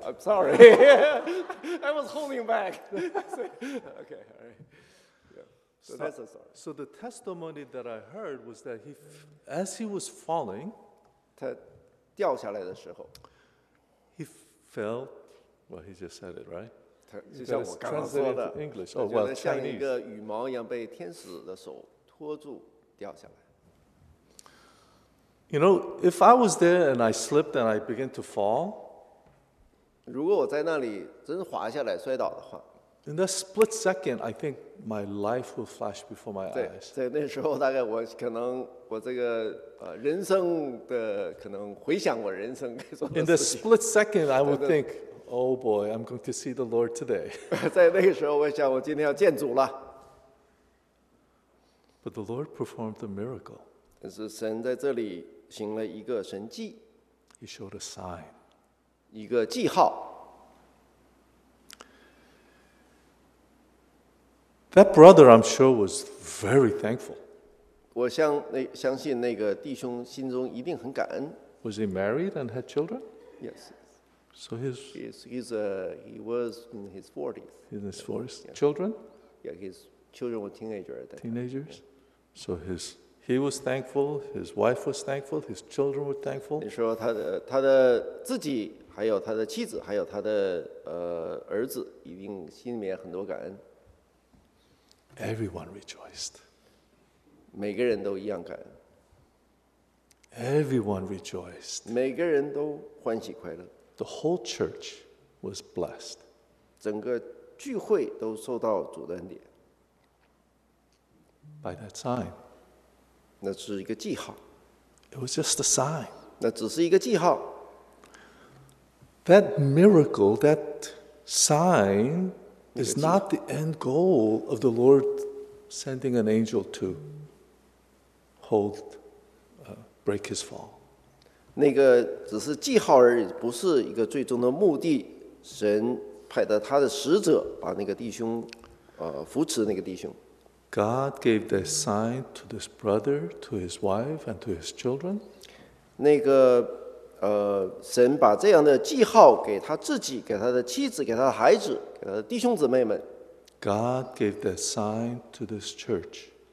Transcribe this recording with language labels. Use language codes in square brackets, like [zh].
[en] I'm sorry. I was holding back. Okay, all right. So the testimony that I heard was that as he was falling, [zh] 他掉下来的时候 [en] he felt, well, he just said it, right? [zh] 就像我刚刚说的 [en] English, oh, well, Chinese. [zh] 像一个羽毛一样被天使的手托住掉下来。 [en] You know, if I was there and I slipped and I began to fall, [zh] 如果我在那里真滑下来摔倒的话 [en] In that split second, I think my life will flash before my eyes. [zh] 对，那时候大概我可能我这个人生的可能回想我人生该做的事情。 [en] In that split second, I would think, oh boy, I'm going to see the Lord today. [zh] 在那个时候我想我今天要见主了。 [en] But the Lord performed the miracle. [zh] 但是神在这里行了一个神迹。 [en] He showed a sign. [zh] 一个记号。 [en] That brother, I'm sure, was very thankful. [zh] 我相信那个弟兄心中一定很感恩。 [en] Was he married and had children? Yes. So his he was in his 40s. In his 40s, children? Yeah, his children were teenagers. Teenagers. So his. He was thankful. His wife was thankful. His children were thankful. [zh] 你说他的自己，还有他的妻子，还有他的儿子，一定心里面很多感恩。 [en] Everyone rejoiced. [zh] 每个人都一样感恩。 [en] Everyone rejoiced. [zh] 每个人都欢喜快乐。 [en] The whole church was blessed. [zh] 整个聚会都受到主的恩典。 [en] By that sign. [zh] 那是一个记号。 [en] It was just a sign. [zh] 那只是一个记号。 [en] That miracle, that sign, is not the end goal of the Lord sending an angel to break his fall. [zh] 那个只是记号而已，不是一个最终的目的。神派的他的使者把那个弟兄，扶持那个弟兄。 [en] God gave the sign to this brother, to his wife, and to his children. [zh] 那个神把这样的记号给他自己，给他的妻子，给他的孩子，给他的弟兄姊妹们。 [en] God gave the sign to this church.